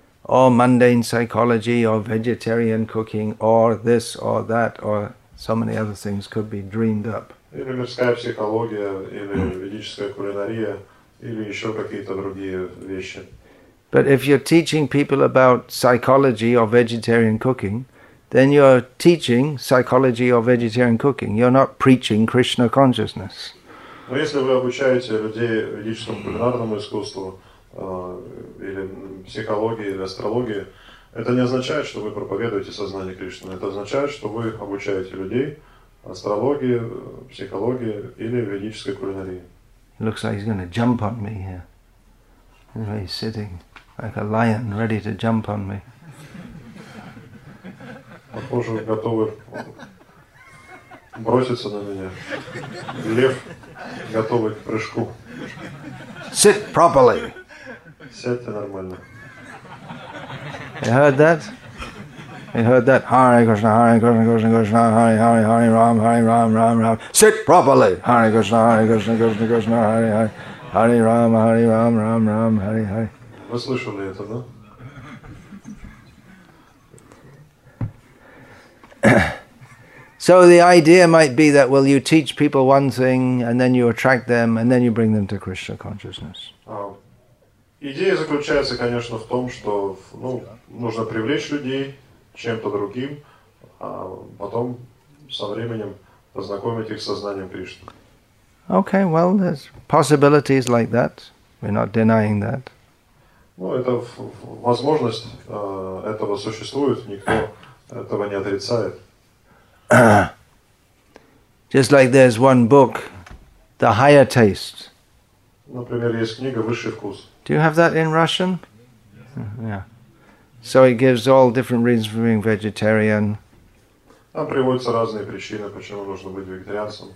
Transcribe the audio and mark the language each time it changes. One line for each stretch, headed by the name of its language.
English: Or mundane psychology, or vegetarian cooking, or this or that, or so many other things could be dreamed up.
Russian: Или мирская психология, или ведическая кулинария, или еще какие-то другие вещи.
English: But if you're teaching people about psychology or vegetarian cooking, then you're teaching psychology or vegetarian cooking. You're not preaching Krishna consciousness.
Russian: Но если вы обучаете людей ведическому кулинарному искусству, или психологии, или астрологии, это не означает, что вы проповедуете сознание Кришны. Это означает, что вы обучаете людей астрологии, психологии или ведической кулинарии.
English: Looks like he's going to jump on me here. He's sitting like a lion, ready to jump on me.
Russian: Похоже, готовы броситься на меня. Лев готовый к прыжку.
English: Sit properly.
Russian: Сядьте нормально.
English: You heard that? You heard that?
Sanskrit: Hare Krishna, Hare Krishna, Krishna Krishna, Hare Hare, Hare Ram, Hare Ram, Ram Ram.
English: Sit properly!
Sanskrit: Hare Krishna, Hare Krishna, Krishna Krishna, Hare Hare, Hare Ram, Hare Ram, Ram Ram, Hare Hare.
Russian: Вы слышали это, да?
English: So the idea might be that, well, you teach people one thing, and then you attract them, and then you bring them to Krishna consciousness.
Russian: Идея заключается, конечно, в том, что нужно привлечь людей чем-то другим, а потом со временем познакомить их с сознанием Кришны.
English: Okay, well, there's possibilities like that. We're not denying that.
Russian: Это возможность этого существует, никто этого не отрицает.
English: Just like there's one book, The Higher Taste.
Russian: Например, есть книга «Высший вкус».
English: Do you have that in Russian? Yes. Yeah. So it gives all different reasons for being vegetarian.
Russian: Там приводятся разные причины, почему нужно быть вегетарианцем.